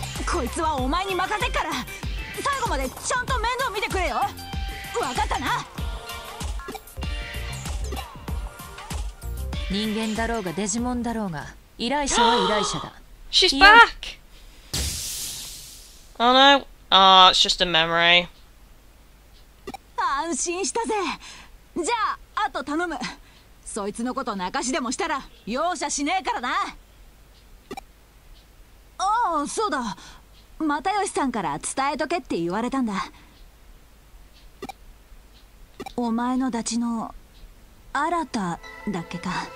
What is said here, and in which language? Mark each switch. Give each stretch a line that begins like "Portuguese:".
Japanese: こいつはお前に任せっから、最後までちゃんと面倒見てくれよ。わかったな。人間だろうがデジモンだろうが、依頼者は依頼者だ。
English: She's back! Oh no! Ah, it's just a memory.
Japanese: ああ、安心したぜ。じゃあ、あと頼む。そいつのこと泣かしでもしたら、容赦しねえからな。ああ、そうだ。またよしさんから伝えとけって言われたんだ。お前のダチの新ただっけか。